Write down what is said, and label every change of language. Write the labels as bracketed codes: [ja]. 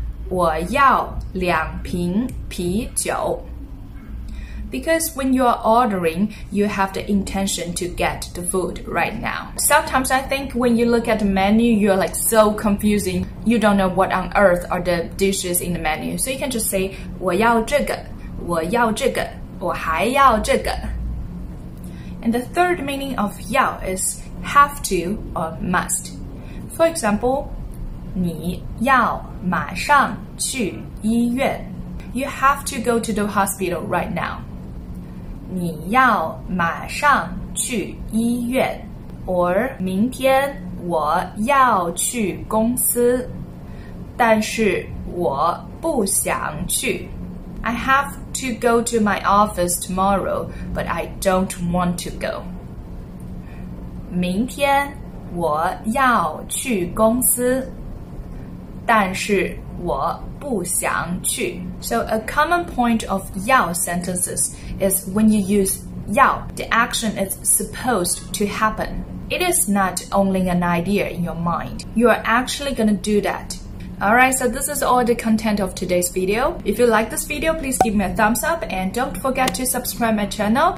[zh] 我要两瓶啤酒。 [en] Because when you are ordering, you have the intention to get the food right now. Sometimes I think when you look at the menu, you're like so confusing. You don't know what on earth are the dishes in the menu. So you can just say, [zh] 我要这个,我要这个,我还要这个。 [en] And the third meaning of 要 is have to or must. For example, [zh] 你要马上去医院。 [en] You have to go to the hospital right now. [zh] 你要马上去医院 [en] or [zh] 明天我要去公司但是我不想去 [en] I have to go to my office tomorrow, but I don't want to go. [zh] 明天我要去公司但是我不想去。 [en] So a common point of 要 sentences is when you use 要, the action is supposed to happen. It is not only an idea in your mind. You are actually going to do that. Alright, so this is all the content of today's video. If you like this video, please give me a thumbs up and don't forget to subscribe my channel.